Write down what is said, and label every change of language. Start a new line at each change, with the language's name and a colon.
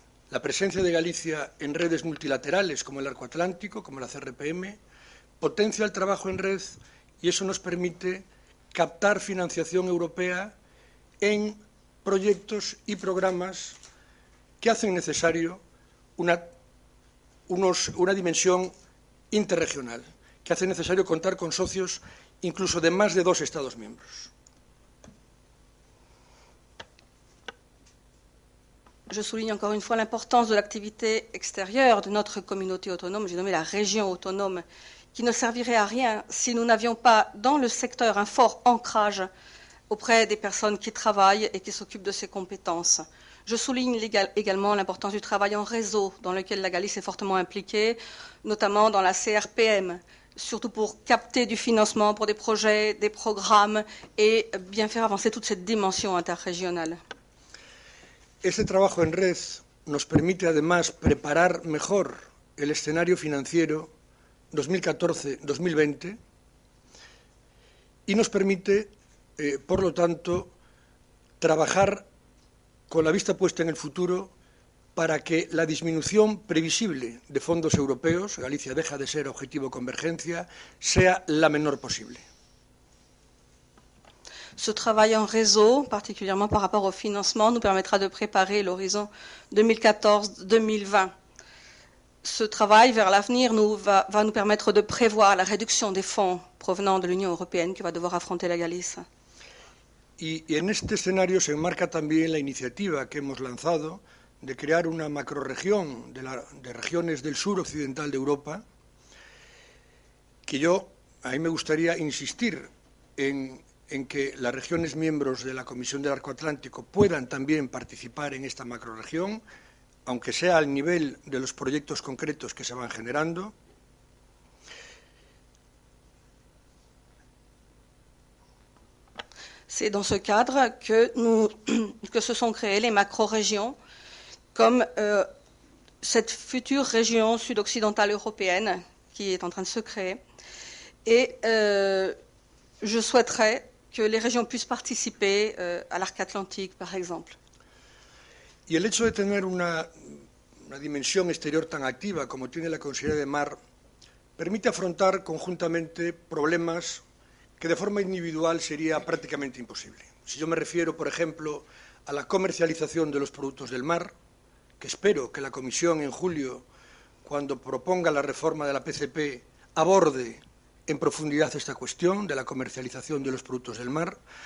Spanish: La presencia de Galicia en redes multilaterales, como el Arco Atlántico, como la CRPM, potencia el trabajo en red y eso nos permite captar financiación europea en proyectos y programas que hacen necesario una dimensión interregional, que hace necesario contar con socios incluso de más de dos Estados miembros.
French: Je souligne encore une fois l'importance de l'activité extérieure de notre communauté autonome, j'ai nommé la région autonome, qui ne servirait à rien si nous n'avions pas dans le secteur un fort ancrage auprès des personnes qui travaillent et qui s'occupent de ces compétences. Je souligne également l'importance du travail en réseau dans lequel la Galice est fortement impliquée, notamment dans la CRPM. surtout pour capter du financement pour des projets, des programmes et bien faire avancer toute cette dimension interrégionale.
Spanish: Este trabajo en red nos permite además preparar mejor el escenario financiero 2014-2020 y nos permite, por lo tanto, trabajar con la vista puesta en el futuro para que la disminución previsible de fondos europeos, Galicia deja de ser objetivo de convergencia, sea la menor posible.
French: Ce travail en réseau, particulièrement par rapport au financement, nous permettra de préparer l'horizon 2014-2020. Ce travail vers l'avenir va nous permettre de prévoir la réduction des fonds provenant de l'Union européenne que va devoir affronter la Galice.
Spanish: Y en este escenario se enmarca también la iniciativa que hemos lanzado de crear una macrorregión de regiones del sur occidental de Europa, que yo, a mí me gustaría insistir en que las regiones miembros de la Comisión del Arco Atlántico puedan también participar en esta macrorregión, aunque sea al nivel de los proyectos concretos que se van generando.
French: C'est dans ce cadre que se sont créées les macro-régions, comme cette future région sud-occidentale européenne qui est en train de se créer. Et je souhaiterais que les régions puissent participer à l'arc atlantique, par exemple.
Spanish: Y el hecho de tener una dimensión exterior tan activa como tiene la Consejería de Mar permite afrontar conjuntamente problemas que de forma individual sería prácticamente imposible. Si yo me refiero, por ejemplo, a la comercialización de los productos del mar, que espero que la Comisión en julio, cuando proponga la reforma de la PCP, aborde en profundidad esta cuestión de la comercialización de los productos del mar.